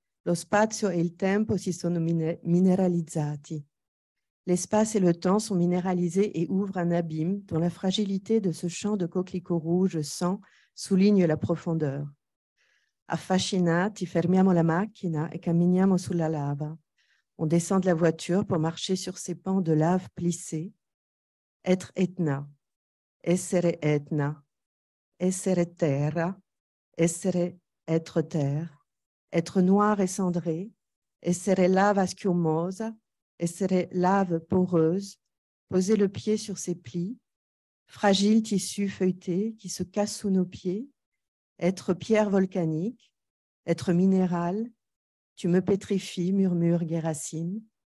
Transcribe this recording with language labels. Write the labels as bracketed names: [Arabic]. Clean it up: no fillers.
[Italian] Lo spazio e il tempo si sono mineralizzati. [French] L'espace et le temps sont minéralisés et ouvrent un abîme dont la fragilité de ce champ de coquelicots rouges sang souligne la profondeur. [Italian] Affascinati, fermiamo la macchina e camminiamo sulla lava. [French] On descend de la voiture pour marcher sur ces pans de lave plissés. Être Etna, [Italian] essere Etna, essere terra, essere [French] être terre, être noir et cendré, [Italian] essere lava schiumosa, [French] essere lave poreuse, poser le pied sur ses plis, fragile tissu feuilleté qui se casse sous nos pieds, être pierre volcanique, être minéral, tu me pétrifies, murmure Gerasim.